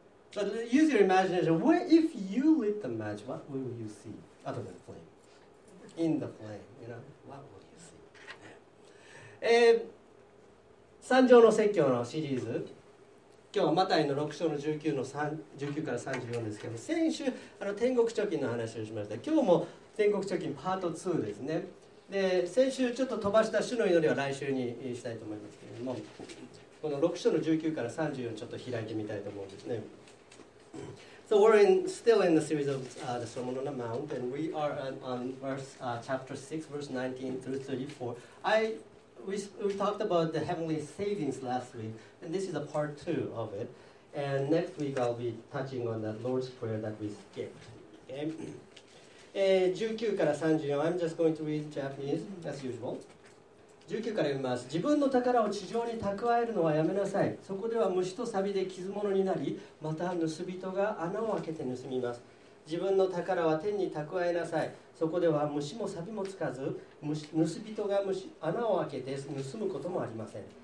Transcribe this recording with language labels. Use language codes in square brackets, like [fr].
[en] But use your imagination. If you lit the match, what will you see other than flame? In the flame, you know, what will you see? [ja] 三条の説教のシリーズ。今日はマタイの6章の19の19から34ですけど、先週天国貯金の話をしました。今日も天国貯金パート2ですね。で、先週ちょっと飛ばした主の祈りは来週にしたいと思いますけれども、この6章の19から34ちょっと開いてみたいと思うんですね。 [en] So we're still in the series of the Sermon on the Mount, and we are on chapter 6 verse 19 through 34. We talked about the heavenly savings last week, and this is a part two of it. And next week I'll be touching on that Lord's Prayer that we skipped. Okay. [ja] 19から34, [en] I'm just going to read Japanese as usual. [ja] 19から読みます。自分の宝を地上に蓄えるのはやめなさい。そこでは虫と錆で傷物になり、また盗人が穴を開けて盗みます。自分の宝は天に蓄えなさい。そこでは虫も錆もつかず、盗人が穴を開けて盗むこともありません。